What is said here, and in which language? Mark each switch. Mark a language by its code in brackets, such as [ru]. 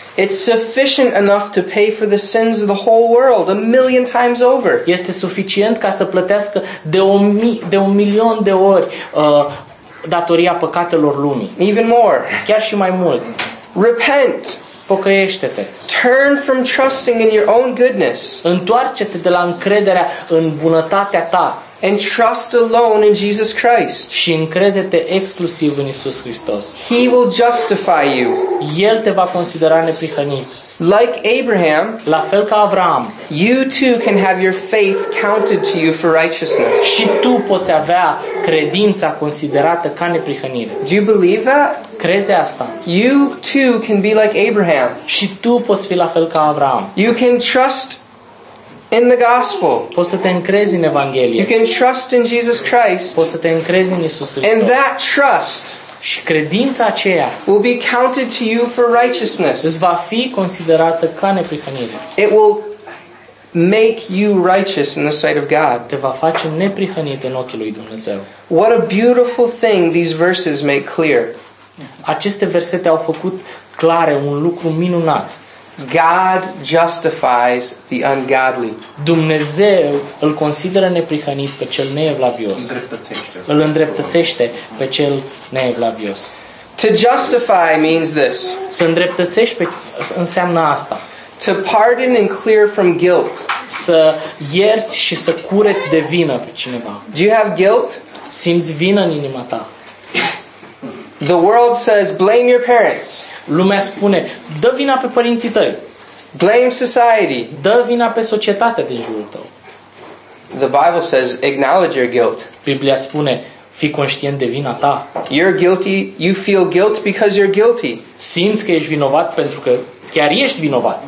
[en] It's sufficient enough to pay for the sins of the whole world a million times over. [ro] Este suficient ca să plătească de un milion de ori datoria păcatelor lumii. [en] Even more. [ro] Chiar și mai mult. [en] Repent. [ro] Pocăiește-te. [en] Turn from trusting in your own goodness. [ro] Întoarce-te de la încrederea în bunătatea ta. [en] And trust alone in Jesus Christ. [ro] Și încrede-te exclusiv în Iisus Hristos. [en] He will justify you. [ro] El te va considera neprihănit. [en] Like Abraham, [ro] la fel ca Avram, [en] you too can have your faith counted to you for righteousness. [ro] Și tu poți avea credința considerată ca neprihănire. [en] Do you believe that? [ro] Crezi asta? [en] You too can be like Abraham. [ro] Și tu poți fi la fel ca Avram. [en] You can trust in the gospel. [ro] Poți să te încrezi în Evanghelie. [en] You can trust in Jesus Christ. [ro] Poți să te încrezi în Iisus Hristos. [en] And that trust, [ro] și credința aceea, [en] will be counted to you for righteousness. [ro] Îți va fi considerată ca neprihănire. [en] It will make you righteous in the sight of God. [ro] Te va face neprihănit în ochii lui Dumnezeu. [en] What a beautiful thing these verses make clear. [ro] Aceste versete au făcut clare un lucru minunat. [en] God justifies the ungodly. [ro] Dumnezeu îl consideră neprihănit pe cel neevlavios. Îl îndreptățește pe cel neevlavios. [en] To justify means this. [ro] Să îndreptățești înseamnă asta. [en] To pardon and clear from guilt. [ro] Să ierți și să cureți de vină pe cineva. [en] Do you have guilt? [ro] Simți vină în inima ta? [en] The world says blame your parents. [ro] Lumea spune, dă vina pe părinții tăi. [en] Blame society. [ro] Dă vina pe societatea din jurul tău. [en] The Bible says acknowledge your guilt. [ro] Biblia spune, fii conștient de vina ta. [en] You're guilty, you feel guilt because you're guilty. [ro] Simți că ești vinovat pentru că chiar ești vinovat.